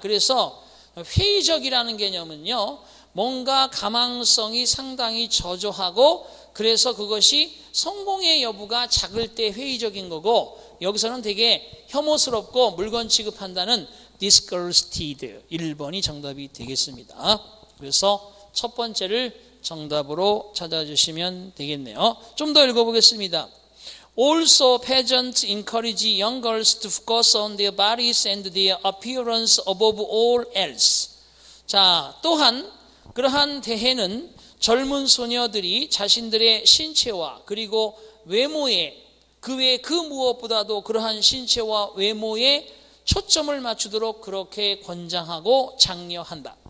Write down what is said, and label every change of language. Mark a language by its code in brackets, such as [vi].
[ko] 그래서 회의적이라는 개념은요. 뭔가 가망성이 상당히 저조하고 그래서 그것이 성공의 여부가 작을 때 회의적인 거고 여기서는 되게 혐오스럽고 물건 취급한다는 disgusted 1번이 정답이 되겠습니다. 그래서 첫 번째를 정답으로 찾아주시면 되겠네요. 좀 더 읽어보겠습니다. [en] Also, pageants encourage young girls to focus on their bodies and their appearance above all else. [ko] 자, 또한 그러한 대회는 젊은 소녀들이 자신들의 신체와 그리고 외모에 그 외 그 무엇보다도 그러한 신체와 외모에 초점을 맞추도록 그렇게 권장하고 장려한다.